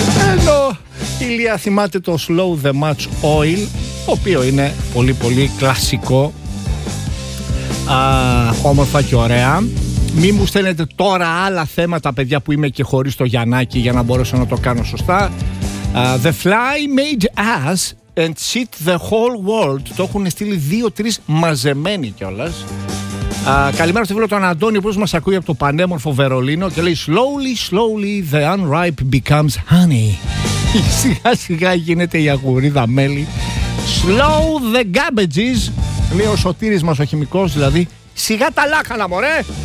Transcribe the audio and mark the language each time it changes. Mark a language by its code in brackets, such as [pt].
[el] Ενώ η Λία θυμάται το [en] slow the match oil, [el] το οποίο είναι πολύ πολύ κλασικό, όμορφα και ωραία. Μη μου στέλνετε τώρα άλλα θέματα, παιδιά, που είμαι και χωρίς το Γιαννάκι για να μπορέσω να το κάνω σωστά. [en] The fly made us and cheat the whole world. [el] Το έχουν στείλει 2-3 μαζεμένοι κιόλας. Καλημέρα στο φίλο τον Αντώνη, που μας ακούει από το πανέμορφο Βερολίνο και λέει [en] slowly, slowly the unripe becomes honey. [el] Σιγά σιγά γίνεται η αγουρίδα μέλι. [en] Slow the garbages, [el] λέει ο Σωτήρης μας ο χημικός, δηλαδή σιγά τα λάχανα μωρέ.